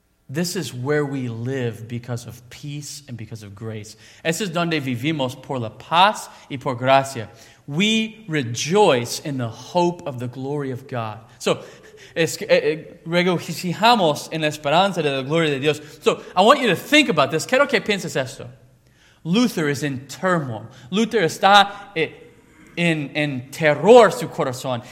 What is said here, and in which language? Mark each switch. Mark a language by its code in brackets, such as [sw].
[en] This is where we live because of peace and because of grace. [es] Este es donde vivimos por la paz y por gracia. [en] We rejoice in the hope of the glory of God. [es] So, regocijamos en la esperanza de la gloria de Dios. [en] So, I want you to think about this. [es] Quiero que pienses esto. [en] Luther is in turmoil. [es] Luther está en terror su corazón.